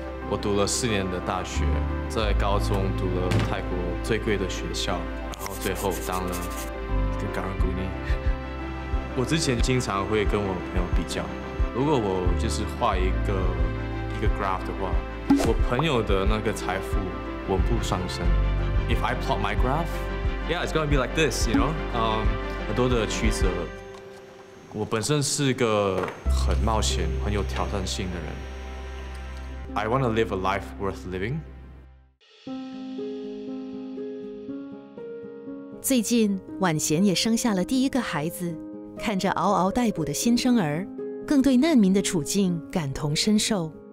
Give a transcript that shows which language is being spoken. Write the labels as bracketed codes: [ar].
[zh] 我读了四年的大学，在高中读了泰国最贵的学校，然后最后当了一个港人姑娘。我之前经常会跟我朋友比较，如果我就是画一个 graph 的话，我朋友的那个财富稳步上升。 [en] If I plot my graph, yeah, it's gonna be like this, you know? [zh] 很多的曲折。我本身是个很冒险、很有挑战性的人。 [en] I want to live a life worth living. [zh] 最近，婉娴也生下了第一个孩子，看着嗷嗷待哺的新生儿，更对难民的处境感同身受。